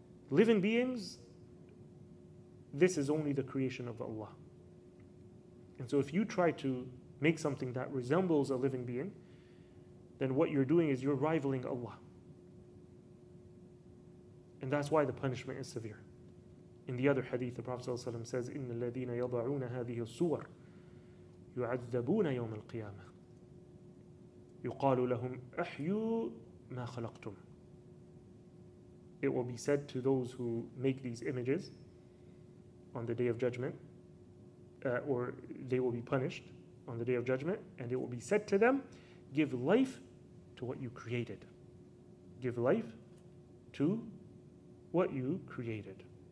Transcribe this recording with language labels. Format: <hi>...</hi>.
<en>Living beings, this is only the creation of Allah. And so if you try to make something that resembles a living being, then what you're doing is you're rivaling Allah. And that's why the punishment is severe. In the other hadith, the Prophet ﷺ says,</en> <ar>إِنَّ الَّذِينَ يَضَعُونَ هَذِهِ الصُّوَرِ يُعَذَّبُونَ يَوْمَ الْقِيَامَةِ يُقَالُ لَهُمْ أَحْيُوا مَا خَلَقْتُمْ.</ar> <en>It will be said to those who make these images on the Day of Judgment, or they will be punished on the Day of Judgment, and it will be said to them, give life to what you created. Give life to what you created.</en>